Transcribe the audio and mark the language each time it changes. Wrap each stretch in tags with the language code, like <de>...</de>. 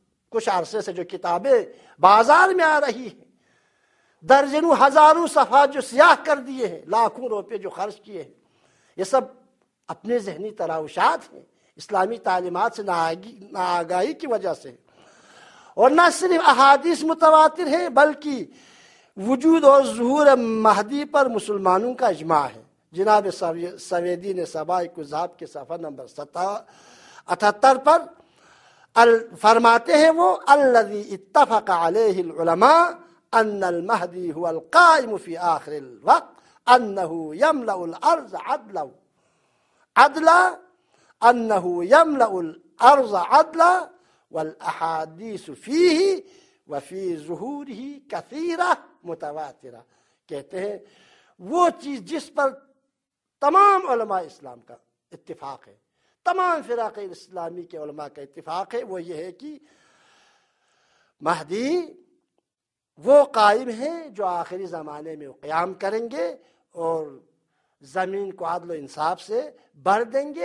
<ur>کچھ عرصے سے جو کتابیں بازار میں آ رہی ہیں, درجنوں ہزاروں صفحہ جو سیاہ کر دیے ہیں, لاکھوں روپے جو خرچ کیے ہیں, یہ سب اپنے ذہنی تراوشات ہیں, اسلامی تعلیمات سے ناآگاہی کی وجہ سے. اور نہ صرف احادیث متواتر ہیں بلکہ وجود اور ظہور مہدی پر مسلمانوں کا اجماع ہے. جناب سویدی نے سبائی کذاب کے صفحہ نمبر 77 پر فرماتے ہیں, وہ</ur> <ar>الذي اتفق عليه العلماء ان المهدي هو القائم في آخر الوقت انه يملأ الارض عدلا عدلا انه يملأ الارض عدلا والاحاديث فيه وفي ظهوره كثيرة متواترة.</ar> <ur>کہتے ہیں وہ چیز جس پر تمام علماء اسلام کا اتفاق ہے, تمام فرق اسلامی کے علماء کا اتفاق ہے, وہ یہ ہے کہ مہدی وہ قائم ہیں جو آخری زمانے میں قیام کریں گے اور زمین کو عدل و انصاف سے بھر دیں گے.</ur>